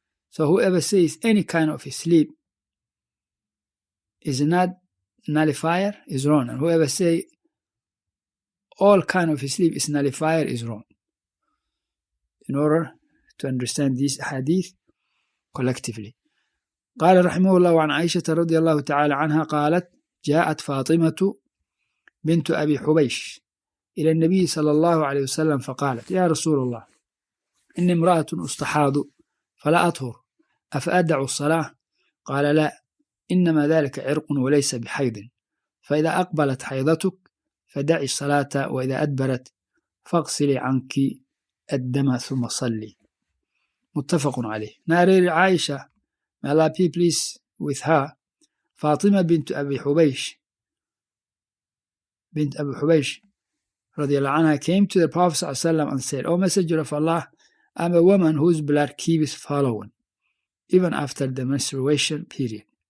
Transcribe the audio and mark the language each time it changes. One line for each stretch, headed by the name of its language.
English: So whoever says any kind of sleep is not nullifier is wrong. And whoever say all kind of sleep is nullifier is wrong, in order to understand this hadith collectively.
Arabic: قال رحمه الله عن عائشة رضي الله تعالى عنها قالت جاءت فاطمة بنت أبي حبيش إلى النبي صلى الله عليه وسلم فقالت يا رسول الله إني امرأة أستحاض فلا أطهر أفأدع الصلاة؟ قال لا, إنما ذلك عرق وليس بحيض, فإذا أقبلت حيضتك فدعي الصلاة, وإذا أدبرت فاغسلي عنك الدم ثم صلي. متفق عليه.
English: نارير عائشة, may Allah be pleased with her, فاطمة بنت أبي حبيش, بنت أبي حبيش
Arabic: رضي الله عنها,
English: came to the Prophet
Arabic: صلى الله عليه وسلم
English: and said, O Messenger of Allah, I'm a woman whose blood keeps following even after the menstruation period.